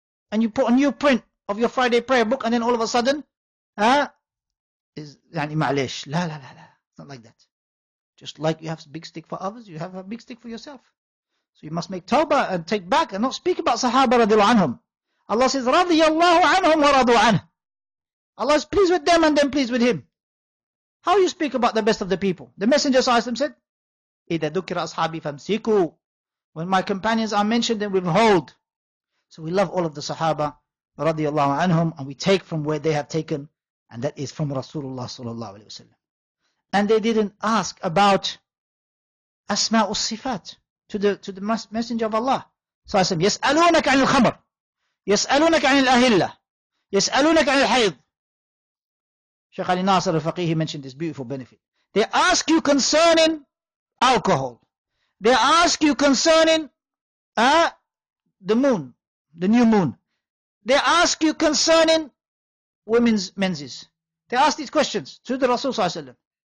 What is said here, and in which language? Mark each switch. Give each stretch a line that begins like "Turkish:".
English: And you put a new print of your Friday prayer book, and then all of a sudden, is yani ma'alesh. La, la, la, la. It's not like that. Just like you have a big stick for others, you have a big stick for yourself. So you must make tawbah and take back and not speak about Sahaba radiallahu anhum. Allah says, radiallahu anhum wa radu anhu. Allah is pleased with them and them pleased with him. How you speak about the best of the people? The Messenger said,
Arabic: إِذَا ذُكِرَ أَصْحَابِي فَمْسِكُوا.
English: When my companions are mentioned, then withhold. So we love all of the Sahaba radiallahu anhum and we take from where they have taken, and that is from Rasulullah sallallahu alayhi wa sallam. And they didn't ask about asma us sifat to the messenger of Allah. So I said,
Arabic: يسألونك عن الخمر, يسألونك عن الأهلة, يسألونك عن الحيض.
English: Sheikh Ali Nasir al-Faqih mentioned this beautiful benefit. They ask you concerning alcohol. They ask you concerning the moon, the new moon. They ask you concerning women's menses. They ask these questions to the Rasul sallallahu alayhi wa sallam.